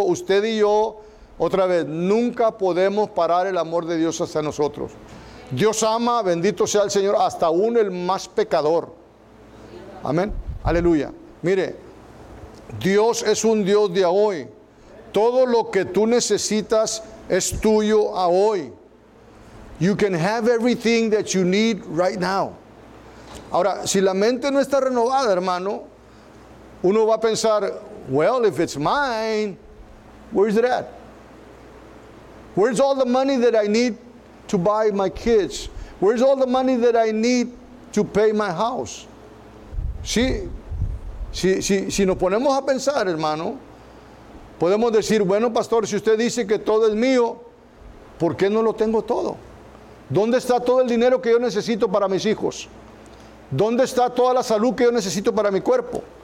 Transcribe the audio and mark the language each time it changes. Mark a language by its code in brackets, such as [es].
[es] Usted y yo, otra vez, nunca podemos parar el amor de Dios hacia nosotros. Dios ama, bendito sea el Señor, hasta aún el más pecador. Amén, aleluya. Mire, Dios es un Dios de hoy. Todo lo que tú necesitas es tuyo a hoy. [en] You can have everything that you need right now. [es] Ahora, si la mente no está renovada, hermano, uno va a pensar, [en] well, if it's mine, where's it at? Where's all the money that I need to buy my kids? Where's all the money that I need to pay my house? [es] Si nos ponemos a pensar, hermano, podemos decir, bueno, pastor, si usted dice que todo es mío, ¿por qué no lo tengo todo? ¿Dónde está todo el dinero que yo necesito para mis hijos? ¿Dónde está toda la salud que yo necesito para mi cuerpo?